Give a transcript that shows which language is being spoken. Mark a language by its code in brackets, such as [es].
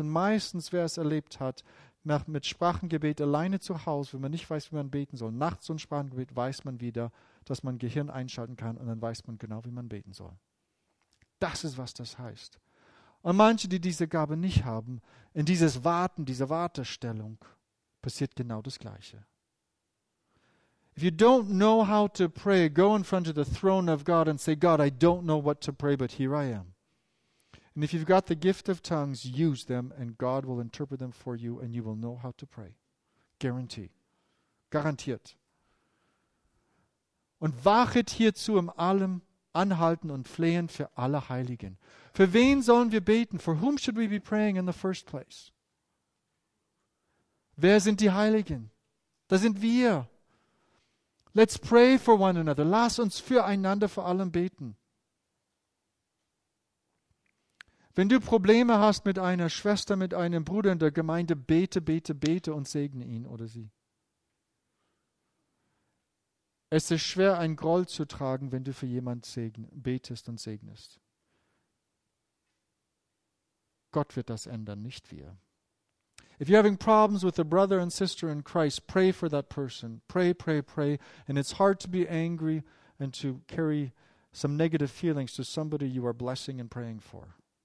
[de] Und meistens, wer es erlebt hat, mit Sprachengebet alleine zu Hause, wenn man nicht weiß, wie man beten soll, nachts und Sprachengebet, weiß man wieder, dass man Gehirn einschalten kann und dann weiß man genau, wie man beten soll. Das ist, was das heißt. Und manche, die diese Gabe nicht haben, in dieses Warten, diese Wartestellung, passiert genau das Gleiche. [en] If you don't know how to pray, go in front of the throne of God and say, God, I don't know what to pray, but here I am. And if you've got the gift of tongues, use them and God will interpret them for you and you will know how to pray. Guarantee. [de] Garantiert. Und wachet hierzu im Allem, anhalten und flehen für alle Heiligen. Für wen sollen wir beten? [en] For whom should we be praying in the first place? [de] Wer sind die Heiligen? Das sind wir. [en] Let's pray for one another. [de] Lass uns füreinander vor allem beten. Wenn du Probleme hast mit einer Schwester, mit einem Bruder in der Gemeinde, bete, bete, bete und segne ihn oder sie. Es ist schwer, einen Groll zu tragen, wenn du für jemanden betest und segnest. Gott wird das ändern, nicht wir. [en] If you're having problems with a brother and sister in Christ, pray for that person. Pray, pray, pray. And it's hard to be angry and to carry some negative feelings to somebody you are blessing and praying for.